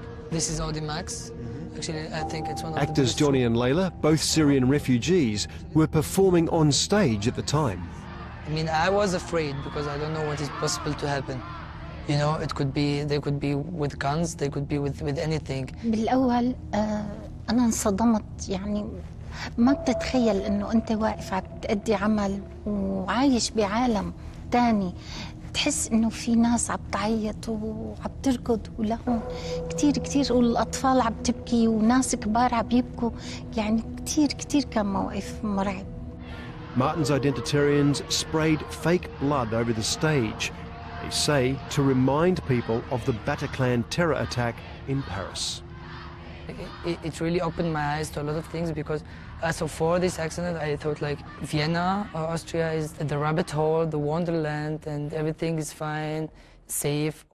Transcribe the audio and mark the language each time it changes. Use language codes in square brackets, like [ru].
[en] This is Audie Max. Mm-hmm. Actually, I think it's one of actors, the actors. Johnny and Layla, both Syrian refugees, were performing on stage at the time. I mean, I was afraid because I don't know what is possible to happen. You know, it could be, they could be with guns, they could be with anything. [ar] بالأول أنا انصدمت يعني ما بتتخيل إنه أنت واقف عم تأدي عمل وعايش بعالم تاني. تحس إنه في ناس عم تعيط وعم تركض ولهون كتير كتير والأطفال عم تبكي وناس كبار عم يبكوا يعني كتير كتير كان موقف مرعب. [en] Martin's identitarians sprayed fake blood over the stage, they say, to remind people of the Bataclan terror attack in Paris. It really opened my eyes to a lot of things, because so for this accident, I thought like Vienna or Austria is the rabbit hole, the wonderland, and everything is fine, safe.